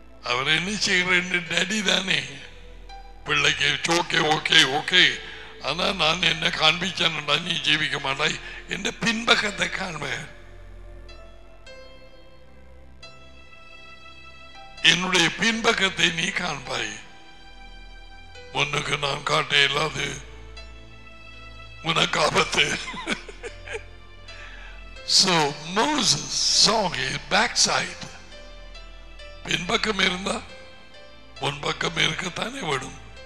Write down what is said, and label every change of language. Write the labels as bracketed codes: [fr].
[ta] அவர் என்ன செய்யறேன்? டாடி தானே பிள்ளைக்கு ஓகே ஓகே ஓகே, ஆனா நான் என்ன காண்பிச்சேன்டா, நீ ஜீவிக்க மாட்டாய், என் பின்பக்கத்தை காண்பேன், என்னுடைய பின்பக்கத்தை நீ காண்பாய். உனக்கு நான் காட்ட இல்லாது உனக்கு ஆபத்து. [en] So Moses saw his backside. [ta] பின்பக்கம் இருந்தா முன்பக்கம் இருக்கத்தானே வரும்.